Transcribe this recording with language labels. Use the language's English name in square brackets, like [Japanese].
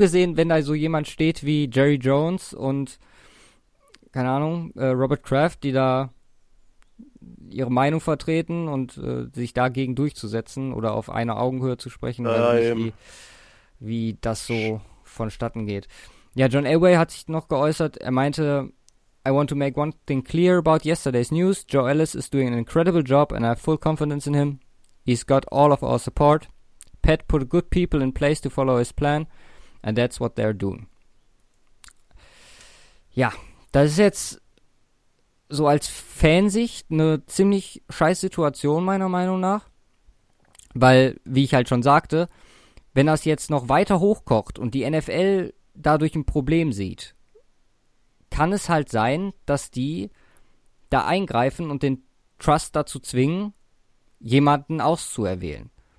[German] gesehen, wenn da so jemand steht wie Jerry Jones und, keine Ahnung, Robert Kraft, die da ihre Meinung vertreten und sich dagegen durchzusetzen oder auf einer Augenhöhe zu sprechen, weiß ich nicht, Eben. wie das so vonstatten geht. Ja, John Elway hat sich noch geäußert. Er meinte, [English] I want to make one thing clear about yesterday's news. Joe Ellis is doing an incredible job and I have full confidence in him. He's got all of our support. Pat put good people in place to follow his plan, and that's what they're doing. [German] Ja, das ist jetzt so als Fansicht eine ziemlich scheiß Situation, meiner Meinung nach. Weil, wie ich halt schon sagte, wenn das jetzt noch weiter hochkocht und die NFL dadurch ein Problem sieht, kann es halt sein, dass die da eingreifen und den Trust dazu zwingen, jemanden auszuerwählen.